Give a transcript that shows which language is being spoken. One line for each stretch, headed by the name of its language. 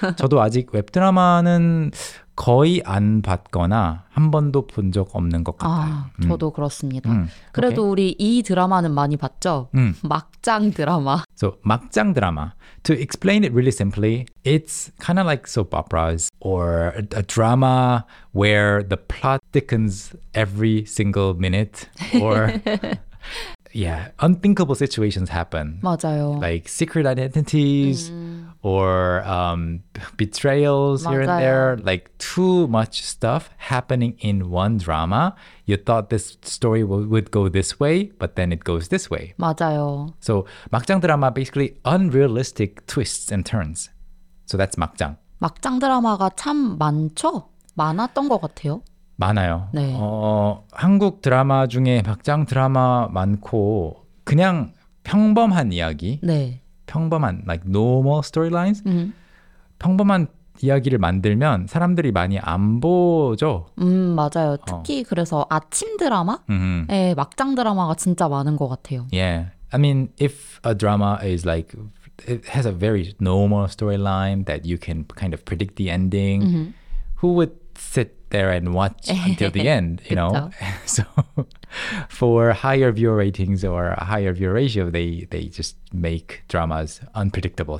Korean: 저도 아직 웹드라마는 거의 안 봤거나 한 번도 본 적 없는 것 같아요. 아, 저도 그렇습니다. 그래도 오케이. 우리 이 드라마는 많이 봤죠? 막장 드라마. So, 막장 드라마.
English: To explain it really simply, it's kind of like soap operas or a drama where the plot thickens every single minute or... Yeah, unthinkable situations happen.
Korean: 맞아요.
English: Like secret identities or betrayals
Korean: 맞아요.
English: here and there. Like too much stuff happening in one drama. You thought this story would go this way, but then it goes this way.
Korean: 맞아요.
English: So 막장 드라마, basically unrealistic twists and turns. So that's 막장.
Korean: 막장 드라마가 참 많죠? 많았던 것 같아요. 많아요. 네. 한국 드라마 중에 막장 드라마 많고 그냥 평범한 이야기, 네. 평범한
English: like normal storylines,
Korean: 평범한 이야기를 만들면 사람들이 많이 안 보죠. 맞아요. 특히 그래서 아침 드라마, 에 막장 드라마가 진짜 많은 것 같아요.
English: Yeah, I mean, if a drama is like it has a very normal storyline that you can kind of predict the ending, who would sit there and watch until the end, you know. So for higher viewer ratings or a higher viewer ratio, they just make dramas unpredictable.